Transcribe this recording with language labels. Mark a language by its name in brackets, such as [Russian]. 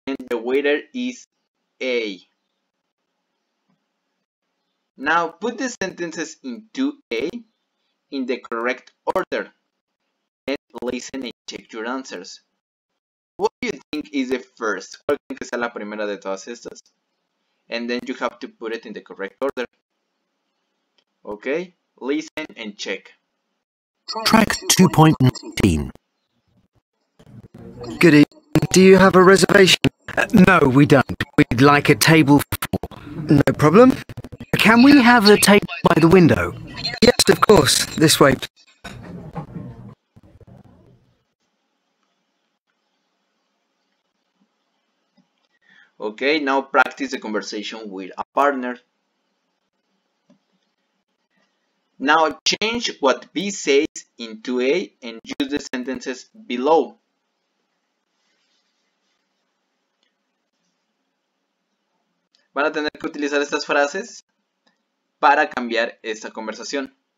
[English] The waiter is A. Now put the sentences in 2A in the correct order and listen and check your answers. What do you think is the first? [Spanish] ¿Cuál crees que sea la primera de todas estas? [English] And then you have to put it in the correct order. Okay, listen and check. Track 2.19. Good evening. Do you have a reservation? No, we don't. We'd like a table for four. No problem. Can we have a table by the window? Yes, of course. This way. Okay, now practice the conversation with a partner. Now change what B says into A and use the sentences below. [Spanish] Van a tener que utilizar estas frases para cambiar esta conversación.